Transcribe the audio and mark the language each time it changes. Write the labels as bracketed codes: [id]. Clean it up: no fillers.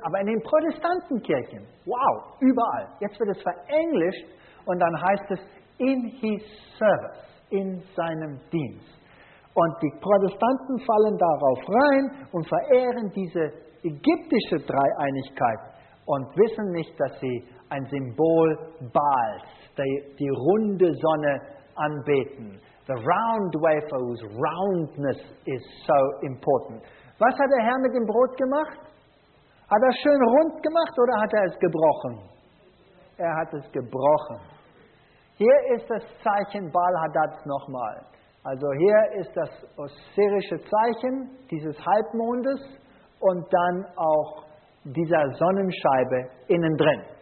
[de] Aber in den Protestantenkirchen, wow, überall. Jetzt wird es verenglischt und dann heißt es [en] in his service, [de] in seinem Dienst. Und die Protestanten fallen darauf rein und verehren diese ägyptische Dreieinigkeit und wissen nicht, dass sie ein Symbol Baals, die runde Sonne, anbeten. [en] The round wafer, whose roundness is so important. [de] Was hat der Herr mit dem Brot gemacht? Hat er schön rund gemacht oder hat er es gebrochen? Er hat es gebrochen. Hier ist das Zeichen Baal-Hadads nochmal. Also hier ist das osirische Zeichen dieses Halbmondes und dann auch dieser Sonnenscheibe innen drin.